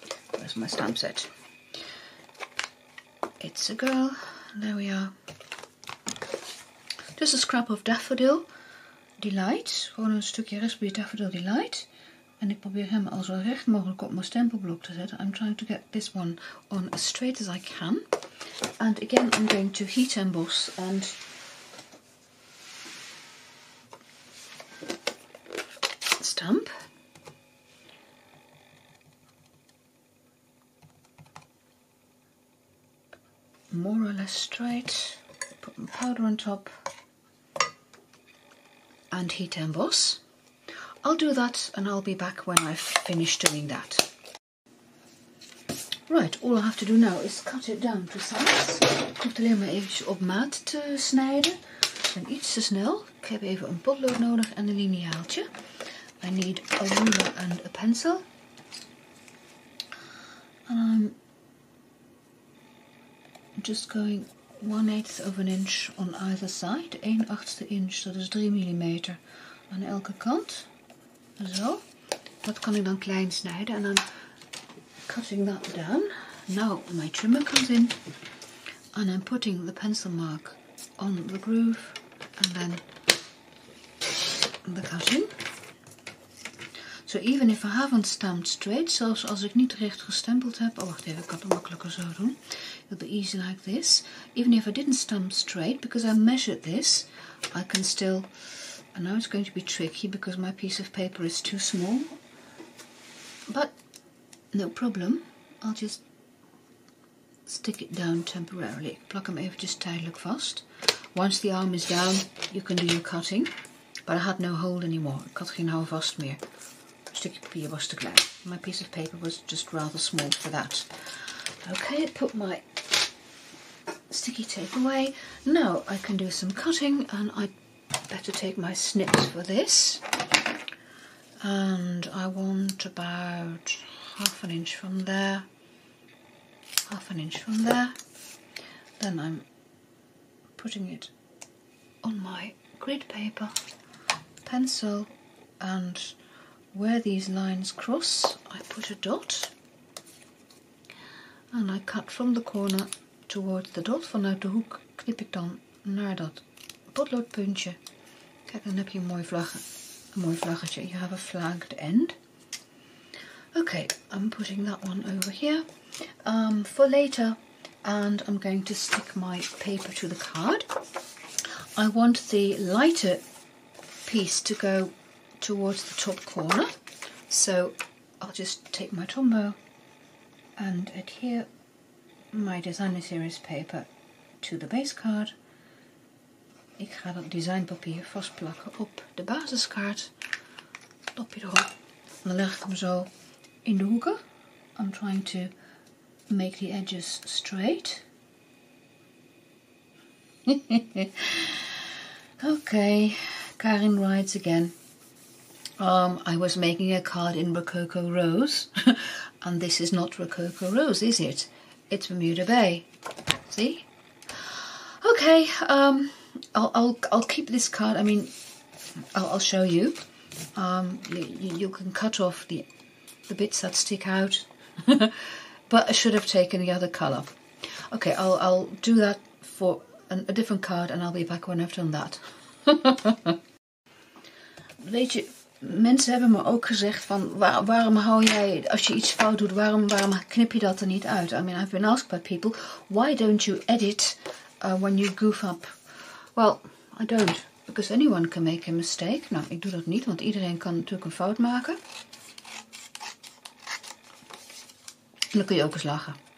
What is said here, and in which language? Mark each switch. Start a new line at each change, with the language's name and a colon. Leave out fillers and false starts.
English: Where's my stamp set? It's a girl. There we are. Just a scrap of daffodil delight.
Dutch: Gewoon een stukje raspberry daffodil delight. En ik probeer hem al zo recht mogelijk op mijn stempelblok te zetten.
English: I'm trying to get this one on as straight as I can. And again, I'm going to heat emboss. And stamp. More or less straight. Put my powder on top. And heat emboss. I'll do that and I'll be back when I've finished doing that. Right, all I have to do now is cut it down to size.
Dutch: Ik hoef alleen maar eventjes op maat te snijden. Ik ben iets te snel. Ik heb even een potlood nodig en een lineaaltje.
English: I need a ruler and a pencil. And I'm just going 1/8 of an inch on either side.
Dutch: 1/8 inch, dat is 3 mm aan elke kant. Zo, dat kan ik dan klein snijden. En dan
English: cutting that down. Now my trimmer comes in. And I'm putting the pencil mark on the groove. And then the cutting. So even if I haven't stamped straight,
Dutch: zelfs als ik niet recht gestempeld heb. Oh, wacht even, ik kan het makkelijker zo doen.
English: It'll be easy like this. Even if I didn't stamp straight, because I measured this, I can still. And now it's going to be tricky because my piece of paper is too small. But no problem. I'll just stick it down temporarily. Plak hem even just tijdelijk vast. Once the arm is down, you can do your cutting. But I had no hold anymore.
Dutch: Ik had geen hou vast meer. Een stukje papier was te klein.
English: My piece of paper was just rather small for that. Okay, put my sticky tape away. Now I can do some cutting and I better take my snips for this, and I want about half an inch from there, half an inch from there. Then I'm putting it on my grid paper, pencil, and where these lines cross, I put a dot, and I cut from the corner towards the dot.
Dutch: Vanuit de hoek knip ik dan naar dat potloodpuntje. Kijk, dan heb je een mooi vlaggetje.
English: You have a flagged end. Okay, I'm putting that one over here for later. And I'm going to stick my paper to the card. I want the lighter piece to go towards the top corner. So I'll just take my Tombow and adhere my designer series paper to the base card. Ik ga dat designpapier vastplakken op de basiskaart. Dopje erop. En dan leg ik hem zo in de hoeken. I'm trying to make the edges straight. Okay, Karin writes again. I was making a card in Rococo Rose. And this is not Rococo Rose, is it? It's Bermuda Bay. See? Okay, I'll keep this card. I mean, I'll show you. You can cut off the bits that stick out, but I should have taken the other color. Okay, I'll do that for a different card, and I'll be back when I've done that.
Dutch: Weet je, mensen hebben me ook gezegd van waarom hou jij als je iets fout doet, waarom knip je dat er niet uit?
English: I mean, I've been asked by people, why don't you edit when you goof up? Well, I don't, because anyone can make a mistake.
Dutch: Nou, ik doe dat niet, want iedereen kan natuurlijk een fout maken. En dan kun je ook eens lachen.